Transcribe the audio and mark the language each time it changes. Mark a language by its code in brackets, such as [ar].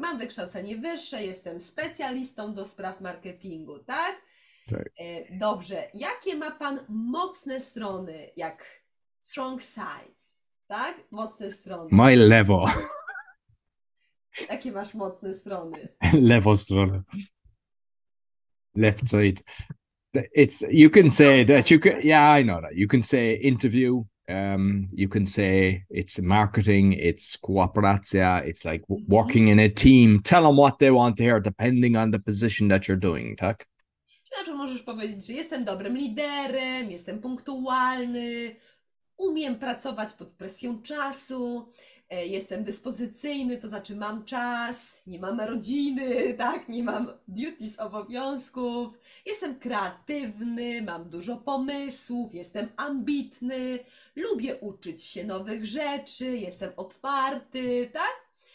[pl] Mam wykształcenie wyższe, jestem specjalistą do spraw marketingu, tak? Tak. Dobrze. Jakie ma pan mocne strony, jak [en] strong sides, [pl] tak? Mocne strony. [en] My level. [pl] Jakie masz mocne strony? Lewą stronę. [en] Left side. It's, you can say that you can, yeah, I know that. You can say interview. You can say it's marketing, it's cooperacja, it's like working in a team. Tell them what they want to hear, depending on the position that you're doing, tak? [pl] Znaczy, możesz powiedzieć, że jestem dobrym liderem, jestem punktualny, umiem pracować pod presją czasu, jestem dyspozycyjny, to znaczy mam czas, nie mam rodziny, tak, nie mam duties, obowiązków, jestem kreatywny, mam dużo pomysłów, jestem ambitny, lubię uczyć się nowych rzeczy, jestem otwarty, tak?